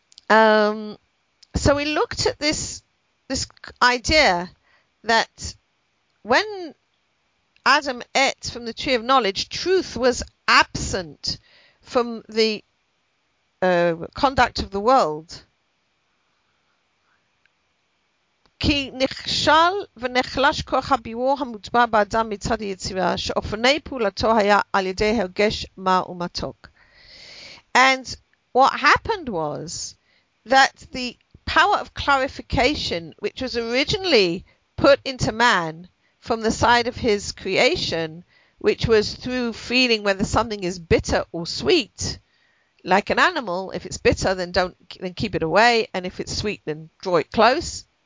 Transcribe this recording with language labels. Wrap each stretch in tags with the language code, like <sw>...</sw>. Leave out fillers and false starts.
<en>So we looked at this idea that when Adam ate from the tree of knowledge, truth was absent from the conduct of the world.</en> <he>כי נכשל ונחלש כוח הביור המוטבע באדם מצד היצירה, שאופני פעולתו היה על ידי הרגש מר ומתוק.</he> <en>And what happened was that the power of clarification, which was originally put into man from the side of his creation, which was through feeling whether something is bitter or sweet, like an animal, if it's bitter, then keep it away, and if it's sweet, then draw it close.</en>